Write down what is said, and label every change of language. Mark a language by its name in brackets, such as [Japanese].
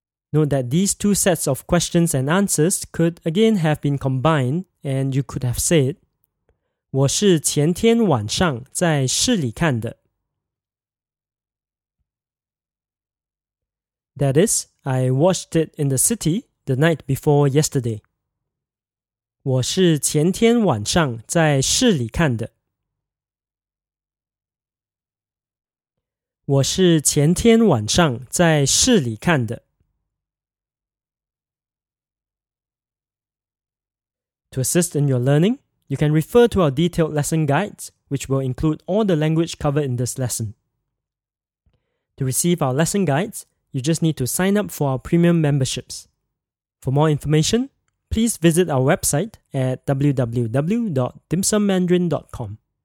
[English] Note that these two sets of questions and answers could again have been combined, and you could have said, [Chinese] 我是前天晚上在市里看的。 [English] That is, I watched it in the city the night before yesterday. [Chinese] 我是前天晚上在市里看的。我是前天晚上在市里看的。 [English] To assist in your learning, you can refer to our detailed lesson guides, which will include all the language covered in this lesson. To receive our lesson guides, you just need to sign up for our premium memberships. For more information, please visit our website at www.dimsummandarin.com.